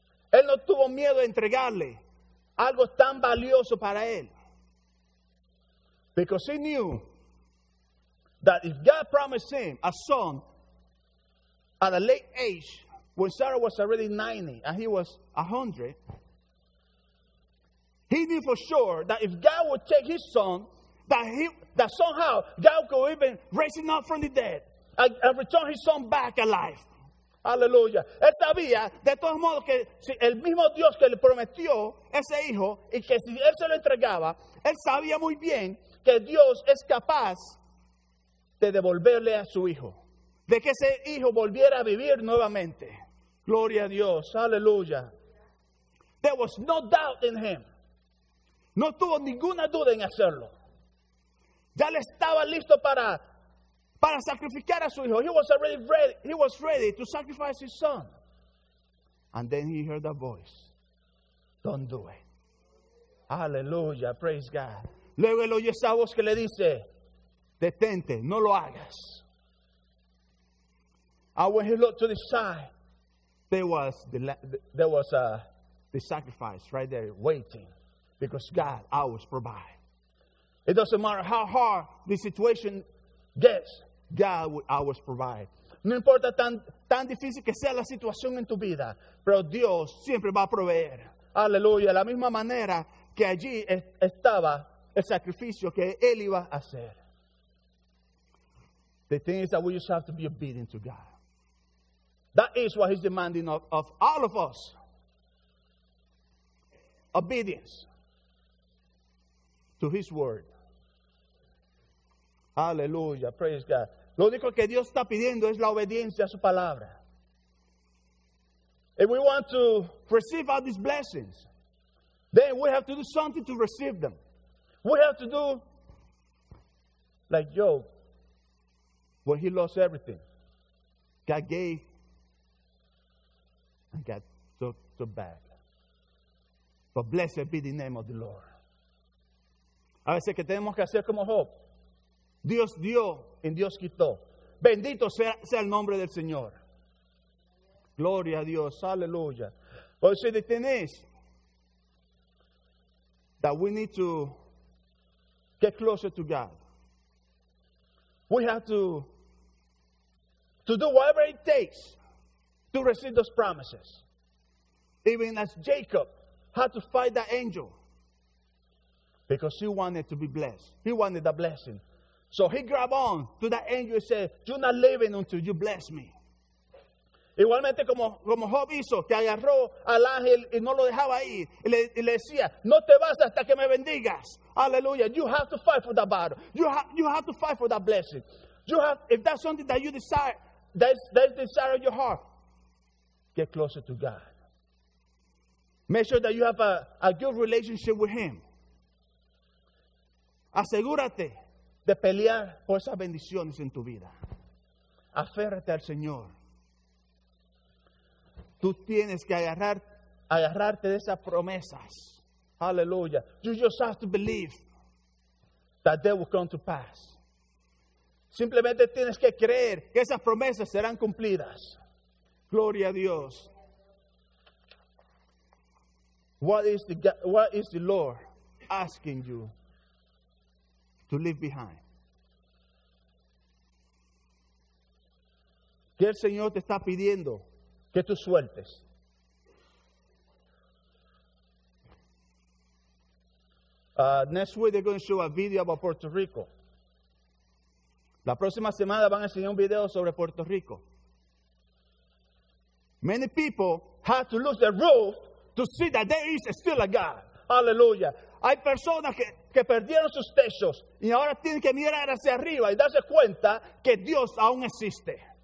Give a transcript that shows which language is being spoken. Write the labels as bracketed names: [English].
[Spanish] Él no tuvo miedo de entregarle algo tan valioso para él. [English] Because he knew that if God promised him a son at a late age, when Sarah was already 90 and he was 100, he knew for sure that if God would take his son, that somehow God could even raise him up from the dead and return his son back alive. [Spanish] Aleluya. Él sabía, de todos modos, que si el mismo Dios que le prometió ese hijo y que si él se lo entregaba, él sabía muy bien que Dios es capaz de devolverle a su hijo, de que ese hijo volviera a vivir nuevamente. Gloria a Dios. Aleluya. [English] There was no doubt in him. [Spanish] No tuvo ninguna duda en hacerlo. Ya le estaba listo para sacrificar a su hijo. [English] He was already ready. He was ready to sacrifice his son. And then he heard a voice. Don't do it. Hallelujah. Praise God. [Spanish] Luego él oye esa voz que le dice, detente, no lo hagas. [English] And when he looked to the side, there was the sacrifice right there waiting. Because God always provides. It doesn't matter how hard the situation gets. God will always provide. [Spanish] No importa tan difícil que sea la situación en tu vida, pero Dios siempre va a proveer. Aleluya. La misma manera que allí estaba el sacrificio que él iba a hacer. [English] The thing is that we just have to be obedient to God. That is what he's demanding of all of us. Obedience to his word. Aleluya. Praise God. [Spanish] Lo único que Dios está pidiendo es la obediencia a su palabra. [English] If we want to receive all these blessings, then we have to do something to receive them. We have to do like Job, when he lost everything. God gave and God took back. But blessed be the name of the Lord. [Spanish] A veces que tenemos que hacer como Job. Dios dio y Dios quitó. Bendito sea el nombre del Señor. Gloria a Dios. Aleluya. [English] But see, the thing is that we need to get closer to God. We have to do whatever it takes to receive those promises. Even as Jacob had to fight that angel because he wanted to be blessed. He wanted a blessing. So he grabbed on to that angel and said, you're not leaving until you bless me. [Spanish] Igualmente como Job hizo, que agarró al ángel y no lo dejaba ir. Y le decía, no te vas hasta que me bendigas. [English] Aleluya. You have to fight for that battle. You have to fight for that blessing. If that's something that you desire, that's the desire of your heart, get closer to God. Make sure that you have a good relationship with Him. [Spanish] Asegúrate de pelear por esas bendiciones en tu vida. Aférrate al Señor. Tú tienes que agarrarte de esas promesas. Aleluya. [English] You just have to believe that they will come to pass. [Spanish] Simplemente tienes que creer que esas promesas serán cumplidas. Gloria a Dios. [English] What is the Lord asking you to leave behind? [Spanish] ¿Qué el Señor te está pidiendo que tú sueltes? [English] Next week they're going to show a video about Puerto Rico. [Spanish] La próxima semana van a enseñar un video sobre Puerto Rico. [English] Many people have to lose their roof to see that there is still a God. Hallelujah. [Spanish] Hay personas que perdieron sus techos y ahora tienen que mirar hacia arriba y darse cuenta que Dios aún existe.